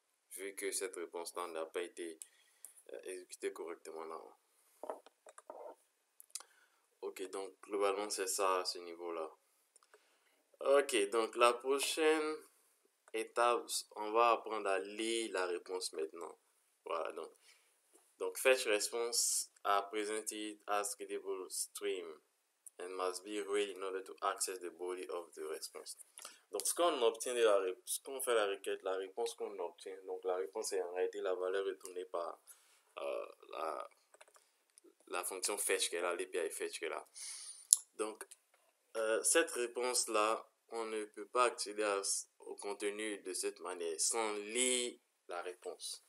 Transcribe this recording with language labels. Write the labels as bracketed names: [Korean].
[French] Vu que cette réponse-là n'a pas été exécutée correctement là. Ok, donc globalement, c'est ça à ce niveau-là. Ok, donc la prochaine. Étape, on va apprendre à lire la réponse maintenant. Voilà, donc [English] fetch response are presented as readable stream and must be read in order to access the body of the response. [French] Donc, ce qu'on fait la requête, la réponse qu'on obtient, donc la réponse est en réalité la valeur retournée par la fonction fetch qui est là, l'API fetch qui est là. Donc, cette réponse-là, on ne peut pas accéder au contenu de cette manière sans lire la réponse.